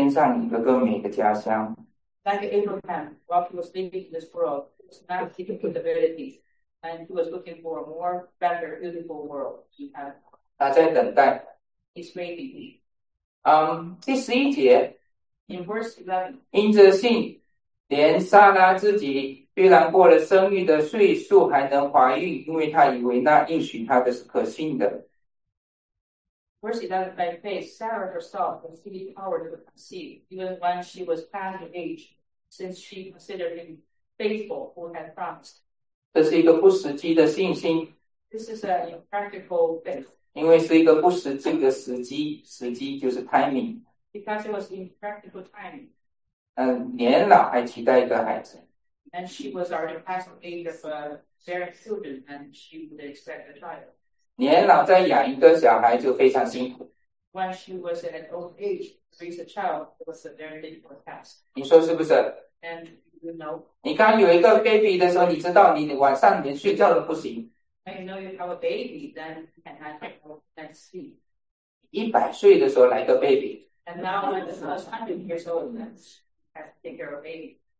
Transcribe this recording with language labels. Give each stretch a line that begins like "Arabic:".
Chinese: 在地上，虽然在他应许之地，仍然像是个住帐篷的寄居的人一样，因为他在寻找在天上一个更美的家乡。
English: Like Abraham, while he was living in this world, he was not seeking for the better things, and he was looking for a more better, beautiful world. He had.
Chinese: 他在等待。
English: He's waiting.
Chinese: 第11节。
English: In verse 11.
Chinese: 因着信，连撒拉自己。虽然过了生育的岁数，还能怀孕，因为她以为那应许她的是可信的。
English: Verse 11, by faith, Sarah herself received power to conceive, even when she was past her age, since she considered him faithful who had promised.
Chinese: 这是一个不实际的信心。
English: This is an impractical faith.
Chinese: 因为是一个不实际的时机，时机就是 timing.
English: Because it was impractical timing.
Chinese: 年老还期待一个孩子。
English: And she was already past the age of bearing children, and she would expect a child.
Chinese: 年老再养一个小孩就非常辛苦。
English: When she was at an old age, raise a child, it was a very difficult task.
Chinese: 你说是不是？
English: And you know.
Chinese: 你刚有一个 baby 的时候，你知道你晚上连睡觉都不行。
English: When you know you have a baby, then you can have a night's sleep.
Chinese: 100岁的时候来个 baby.
English: And now when she was 100 years old, then she has to take care of a baby.